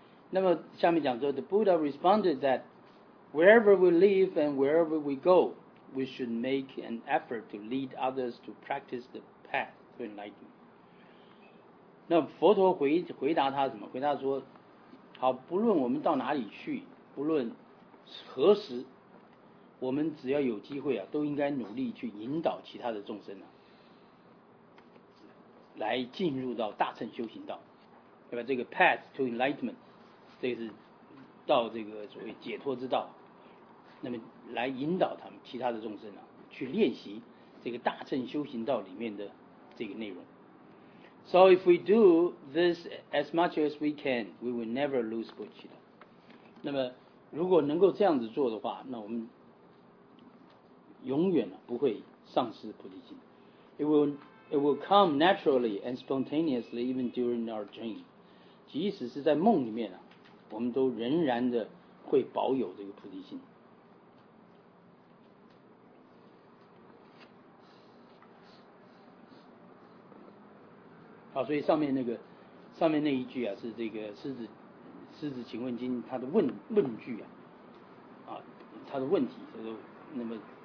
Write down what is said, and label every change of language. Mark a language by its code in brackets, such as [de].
[zh] 那么下面讲说 [en] ，The Buddha responded that wherever we live and wherever we go, we should make an effort to lead others to practice the path to enlightenment. [zh] 那佛陀回答他什么？回答说，好，不论我们到哪里去，不论何时。我们只要有机会啊，都应该努力去引导其他的众生啊，来进入到大乘修行道，对吧？这个 [en] path to enlightenment， [zh] 这是到这个所谓解脱之道，那么来引导他们其他的众生啊，去练习这个大乘修行道里面的这个内容。 [en] So if we do this as much as we can, we will never lose bodhicitta。 [zh] 那么如果能够这样子做的话，那我们永远不会丧失菩提心。 [en] It will come naturally and spontaneously even during our dream. [zh] 即使是在梦里面我们都仍然的会保有这个菩提心。好，所以上面那一句是这个狮子请问经它的问句它的问题，就是那么。